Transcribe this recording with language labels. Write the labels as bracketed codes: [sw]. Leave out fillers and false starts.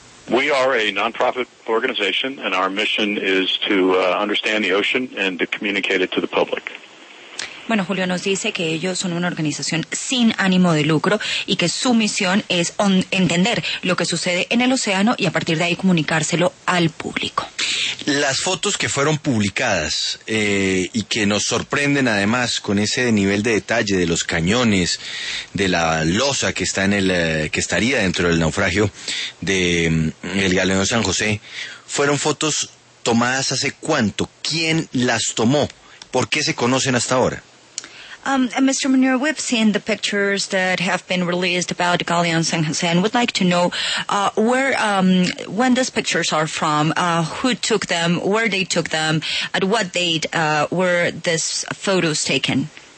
[en] We are a non-profit organization, and our mission is to understand the ocean and to communicate it to the public. [es] Bueno, Julio nos dice que ellos son una organización sin ánimo de lucro y que su misión es entender lo que sucede en el océano y a partir de ahí comunicárselo al público. Las fotos que fueron publicadas y que nos sorprenden además con ese nivel de detalle de los cañones, de la losa que está en el que estaría dentro del naufragio de el Galeón San José, fueron fotos tomadas hace cuánto, ¿quién las tomó? ¿Por qué se conocen hasta ahora? [en] Mr. Munier, we've seen the pictures that have been released about Galeón San José and would like to know when these pictures are from, who took them, where they took them, at what date were these photos taken?